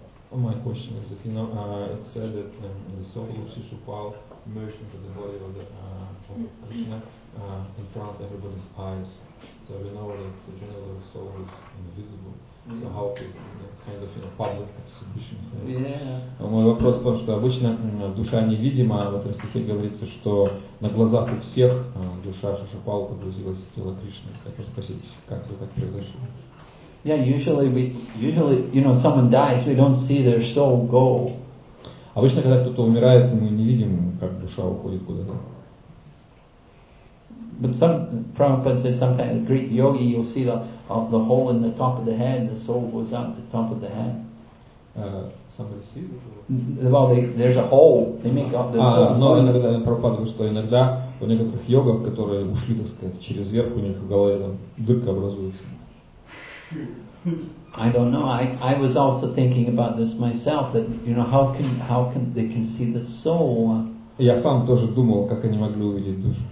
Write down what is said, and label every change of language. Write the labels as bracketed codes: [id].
[en] My question is that, you know, it said that the soul of Shishupal merged into the body of the Krishna in front of everybody's eyes. So we know that the general soul is invisible. Mm-hmm. So how could kind of in a public exhibition? Yeah. [ru] Мой вопрос в том, что обычно душа невидима, а в этом стихе говорится, что на глазах у всех душа Шишупалы погрузилась в тело Кришны. Хочу спросить, как это так произошло? [en] Yeah, usually you know, someone dies, we don't see their soul go. [ru] Обычно, когда кто-то умирает, мы не видим, как душа уходит куда-то. [en] But Prabhupada says sometimes a great yogi, you'll see the hole in the top of the head, the soul goes out the top of the head. Somebody sees it? Well, there's a hole, they make up the soul. [ru] Но иногда, Прабхупада говорит, что иногда у некоторых йогов, которые ушли, так сказать, через верх у них в голове там дырка образуется. [en] I don't know. I was also thinking about this myself, that you know, how can they can see the soul? [ru] Я сам тоже думал, как они могли увидеть душу.